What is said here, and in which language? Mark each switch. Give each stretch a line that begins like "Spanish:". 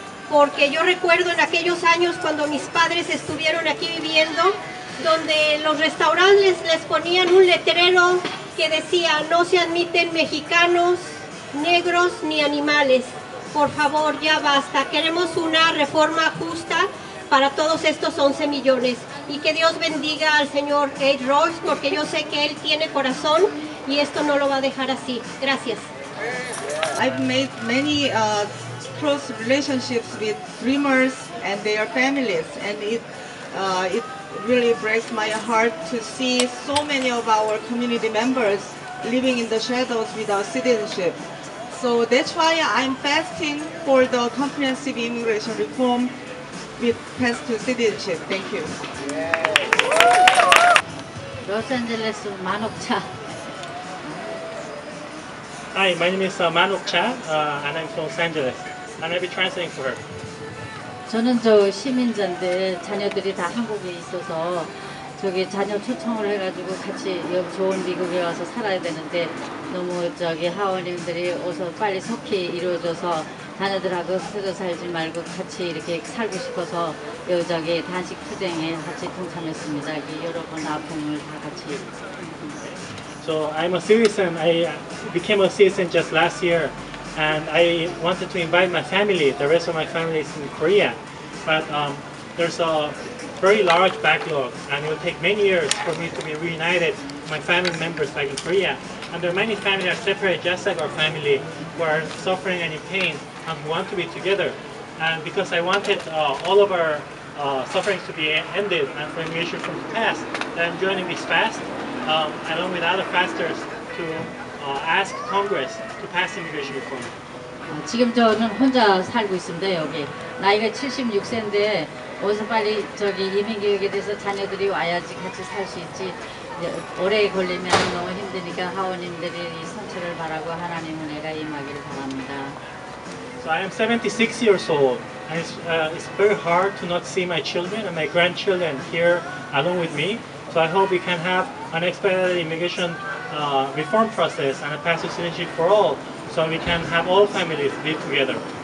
Spanish: Porque yo recuerdo en aquellos años cuando mis padres estuvieron aquí viviendo, donde los restaurantes les ponían un letrero que decía, no se admiten mexicanos, negros ni animales. Por favor, ya basta. Queremos una reforma justa para todos estos 11 millones. Y que Dios bendiga al señor Ed Royce, porque yo sé que él tiene corazón y esto no lo va a dejar así. Gracias.
English: I've made many close relationships with dreamers and their families, and it really breaks my heart to see so many of our community members living in the shadows without citizenship. So that's why I'm fasting for the comprehensive immigration reform with pass to citizenship. Thank you. Los Angeles, Manok Cha. Hi, my name is Manok Cha, and I'm from Los Angeles, and I'll be translating for her.
Korean: 저는 저 시민자인데 자녀들이 다 한국에 있어서 저기 자녀 초청을 해가지고 같이 여기 좋은 미국에 와서 살아야 되는데 너무 저기 하원님들이 어서 빨리 속히 이루어져서 자녀들하고 흩어져 살지 말고 같이 이렇게 살고 싶어서 여기 저기 단식 투쟁에 같이 동참했습니다. 이 여러 번 아픔을 다 같이.
English: So I'm a citizen. I became a citizen just last year. And I wanted to invite my family, the rest of my family is in Korea. But there's a very large backlog, and it will take many years for me to be reunited with my family members back in Korea. And there are many families that are separate, just like our family, who are suffering and in pain, and who want to be together. And because I wanted all of our sufferings to be ended and for immigration from the past, then joining this fast, along with other fasters, to ask Congress to pass immigration reform.
Korean: 지금 저는 혼자 살고 있습니다, 여기. 나이가 76세인데 어서 빨리 저기 이민 계획에 대해서 자녀들이 와야지 같이 살 수 있지. 오래 걸리면 너무 힘드니까 하원님들이 성취를 바라고 하나님 은혜가 임하기를 바랍니다.
English: So I am 76 years old. And it's very hard to not see my children and my grandchildren here along with me. So I hope we can have an expedited immigration reform process and a path to citizenship for all, so we can have all families live together.